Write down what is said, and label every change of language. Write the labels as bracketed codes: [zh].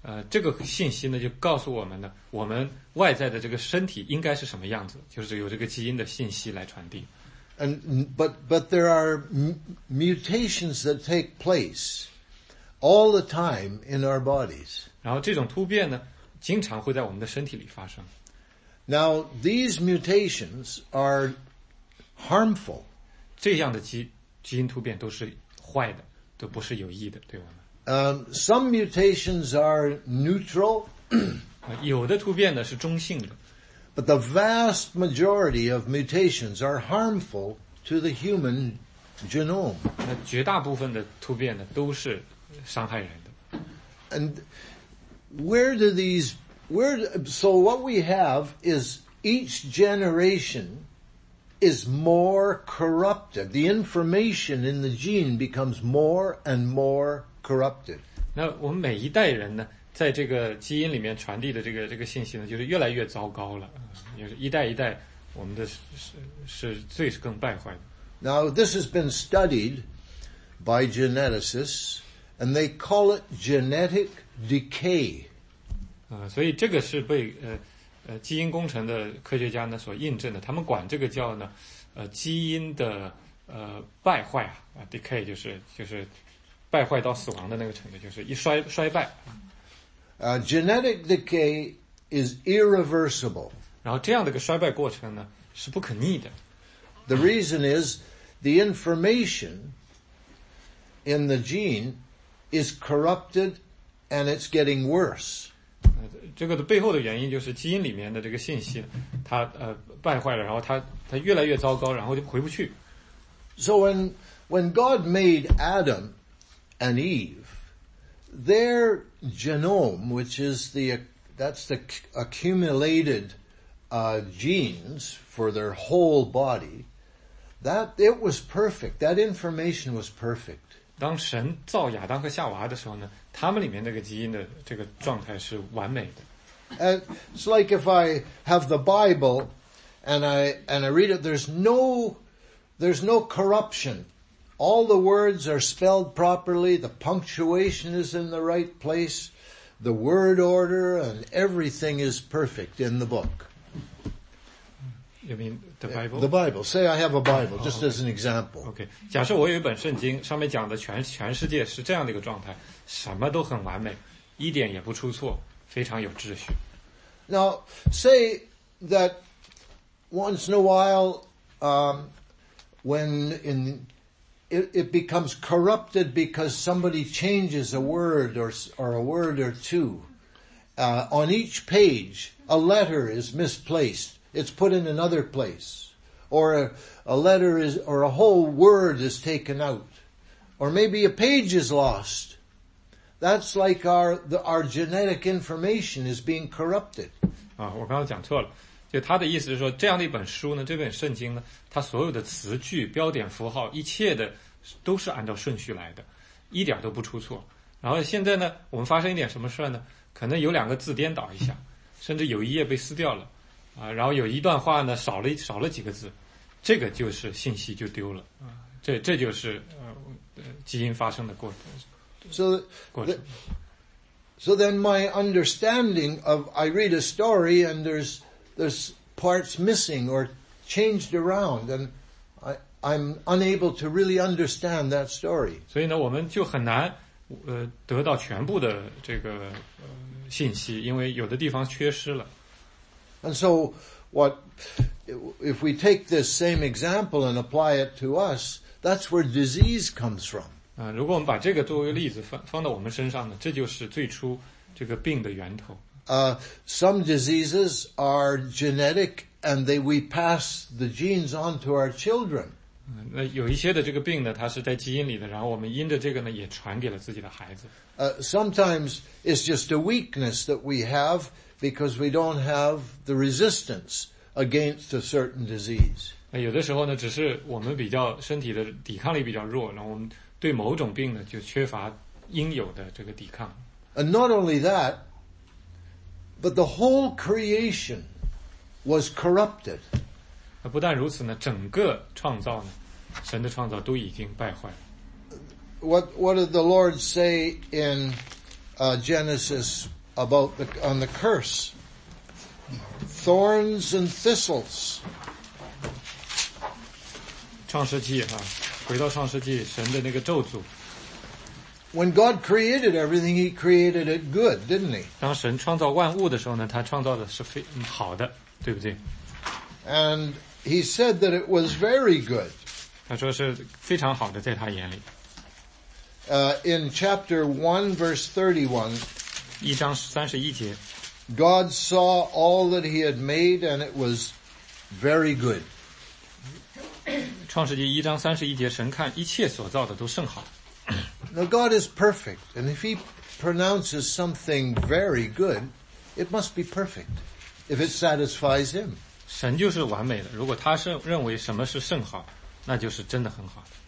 [zh] 这个信息呢就告诉我们呢，我们外在的这个身体应该是什么样子，就是有这个基因的信息来传递。 [en] But there are mutations that take place all the time in our bodies. [zh] 然后这种突变呢经常会在我们的身体里发生。 [en] Now, these mutations are harmful. [zh] 这样的基因突变都是坏的。都不是有益的，对我们。 [en] Some mutations are neutral. [zh] 有的突变呢是中性的。 [en] But the vast majority of mutations are harmful to the human genome. [zh] 那绝大部分的突变呢都是伤害人的。 [en] And where do these, where, so what we have is each generation is more corrupted. The information in the gene becomes more and more corrupted. [zh] 那我们每一代人呢，在这个基因里面传递的这个信息呢，就是越来越糟糕了。就是一代一代，我们的是罪是更败坏的。 [en] Now this has been studied by geneticists, and they call it genetic decay. [zh] 所以这个是被基因工程的科学家呢所印证的，他们管这个叫呢，基因的败坏啊 ，decay 就是败坏到死亡的那个程度，就是一衰败。 [en] Genetic decay is irreversible. [zh] 然后这样的一个衰败过程呢是不可逆的。 [en] The reason is the information in the gene is corrupted and it's getting worse. [zh] 这个的背后的原因就是基因里面的这个信息它败坏了，然后它越来越糟糕，然后就回不去。 [en] So when God made Adam and Eve, their genome, which is the accumulated genes for their whole body, that it was perfect. That information was perfect. [zh] 当神造亚当和夏娃的时候呢，他们里面那个基因的这个状态是完美的。 [en] It's like if I have the Bible and I read it, there's no corruption. All the words are spelled properly. The punctuation is in the right place. The word order and everything is perfect in the book. You mean the Bible? The Bible. Say I have a Bible, just as an example. Okay. [zh] 假设我有一本圣经，上面讲的全世界是这样的一个状态，什么都很完美，一点也不出错，非常有秩序。 [en] Now, say that once in a while, when it becomes corrupted because somebody changes a word or a word or two, On each page, a letter is misplaced. It's put in another place. Or a whole word is taken out. Or maybe a page is lost. That's like our genetic information is being corrupted. [zh] 啊，我刚刚讲错了。就他的意思是说，这样的一本书呢，这本圣经呢，它所有的词句、标点符号，一切的都是按照顺序来的，一点都不出错。然后现在呢，我们发生一点什么事呢？可能有两个字颠倒一下，甚至有一页被撕掉了，啊，然后有一段话呢少了几个字，这个就是信息就丢了，啊，这就是基因发生的过程。 [en] So then my understanding of I read a story and there's parts missing or changed around and I'm unable to really understand that story. [zh] 所以呢，我们就很难得到全部的这个信息，因为有的地方缺失了。 [en] And so, if we take this same example and apply it to us, that's where disease comes from. [zh] 如果我们把这个作为例子放到我们身上呢，这就是最初这个病的源头。 [en] Some diseases are genetic, and we pass the genes on to our children. [zh] 那有一些的这个病呢，它是在基因里的，然后我们因着这个呢，也传给了自己的孩子。 [en] Sometimes it's just a weakness that we have because we don't have the resistance against a certain disease. [zh] 那有的时候呢，只是我们比较身体的抵抗力比较弱，然后我们对某种病呢就缺乏应有的这个抵抗。 [en] And not only that, but the whole creation was corrupted. [zh] 那不但如此呢，整个创造呢，神的创造都已经败坏了。 [en] What did the Lord say in Genesis about on the curse? Thorns and thistles. [zh] 创世纪哈，回到创世纪，神的那个咒诅。 [en] When God created everything, He created it good, didn't He? [zh] 当神创造万物的时候呢，他创造的是非好的，对不对？ [en] And He said that it was very good. [zh] 他说是非常好的，在他眼里。 [en] In chapter 1, verse 31, [zh] 一章三十一节, [en] God saw all that He had made and it was very good. [zh] 创世纪一章三十一节, 神看一切所造的都甚好。 [en] Now God is perfect, and if He pronounces something very good, it must be perfect, if it satisfies Him. [zh] 神就是完美的,如果他是认为什么是甚好,那就是真的很好。